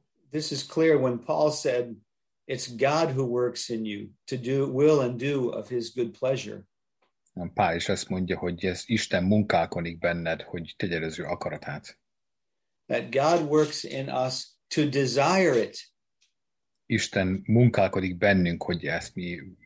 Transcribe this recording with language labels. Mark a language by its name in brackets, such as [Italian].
[English] This is clear when Paul said, it's God who works in you to do will and do of his good pleasure. [Hungarian] Pál is azt mondja, hogy ez Isten munkálkodik benned, hogy tegyed az ő akaratát. [English] That God works in us to desire it. [Hungarian] Isten munkálkodik bennünk, hogy ezt mi